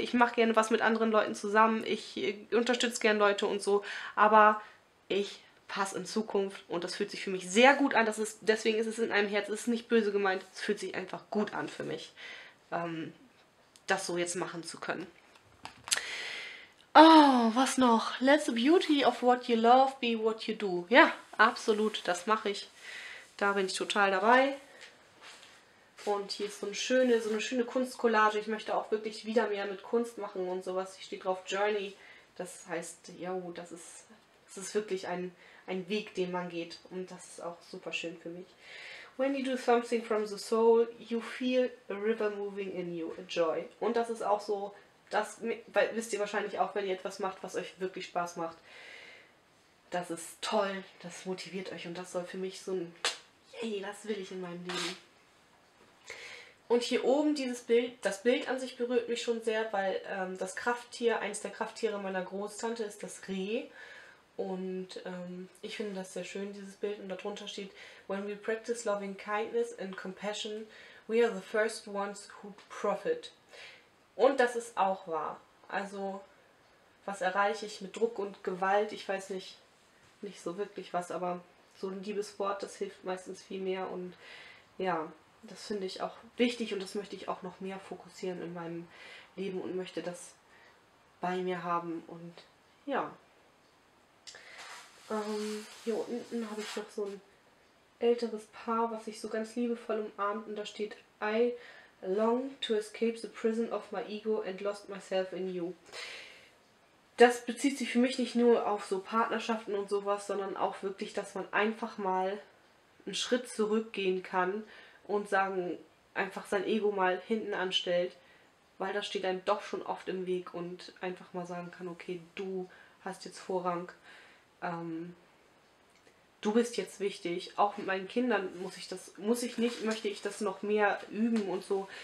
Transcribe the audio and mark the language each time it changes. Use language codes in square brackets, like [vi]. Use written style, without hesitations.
[de] Ich mache gerne was mit anderen Leuten zusammen. Ich unterstütze gerne Leute und so. Aber ich passe in Zukunft und das fühlt sich für mich sehr gut an. Deswegen ist es in einem Herz, es ist nicht böse gemeint. Es fühlt sich einfach gut an für mich, das so jetzt machen zu können. Oh, was noch? [en] Let the beauty of what you love be what you do. [de] Ja, absolut, das mache ich. Da bin ich total dabei. Und hier ist so eine schöne Kunstcollage. Ich möchte auch wirklich wieder mehr mit Kunst machen und sowas. Hier steht drauf Journey. Das heißt, ja, das ist wirklich ein Weg, den man geht. Und das ist auch super schön für mich. [en] When you do something from the soul, you feel a river moving in you, a joy. [de] Und das ist auch so... Das wisst ihr wahrscheinlich auch, wenn ihr etwas macht, was euch wirklich Spaß macht. Das ist toll, das motiviert euch und das soll für mich so ein Yay, das will ich in meinem Leben. Und hier oben dieses Bild, das Bild an sich berührt mich schon sehr, weil das Krafttier, eines der Krafttiere meiner Großtante ist das Reh. Und ich finde das sehr schön, dieses Bild. Und darunter steht, [en] when we practice loving kindness and compassion, we are the first ones who profit. [de] Und das ist auch wahr. Also, was erreiche ich mit Druck und Gewalt? Ich weiß nicht so wirklich was, aber so ein Liebeswort, das hilft meistens viel mehr. Und ja, das finde ich auch wichtig und das möchte ich auch noch mehr fokussieren in meinem Leben und möchte das bei mir haben. Und ja, hier unten habe ich noch so ein älteres Paar, was sich so ganz liebevoll umarmt und da steht I... [en] Long to escape the prison of my ego and lost myself in you. [de] Das bezieht sich für mich nicht nur auf so Partnerschaften und sowas, sondern auch wirklich, dass man einfach mal einen Schritt zurückgehen kann und sagen, einfach sein Ego mal hinten anstellt, weil das steht einem doch schon oft im Weg und einfach mal sagen kann, okay, du hast jetzt Vorrang, du bist jetzt wichtig, auch mit meinen Kindern möchte ich das noch mehr üben und so.